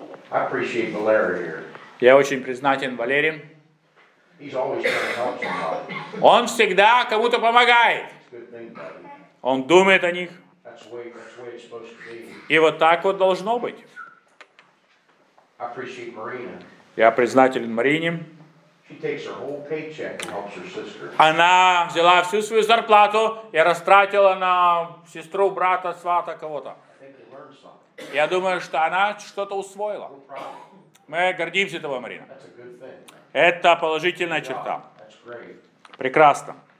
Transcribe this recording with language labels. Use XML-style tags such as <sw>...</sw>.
<en>I appreciate Valeria here.</en> <ru>Я очень признателен Валерии.</ru> <en>He's always trying to help somebody.</en> <ru>Он всегда кому-то помогает. Он думает о них.</ru> <en>That's the way it's supposed to be.</en> <ru>И вот так вот должно быть.</ru> <en>I appreciate Marina.</en> <ru>Я признателен Марине.</ru> <en>She takes her whole paycheck and helps her sister.</en> <ru>Она взяла всю свою зарплату и растратила на сестру, брата, свата, кого-то. Я думаю, что она что-то усвоила. Мы гордимся тобой, Марина. Это положительная черта. Прекрасно.</ru>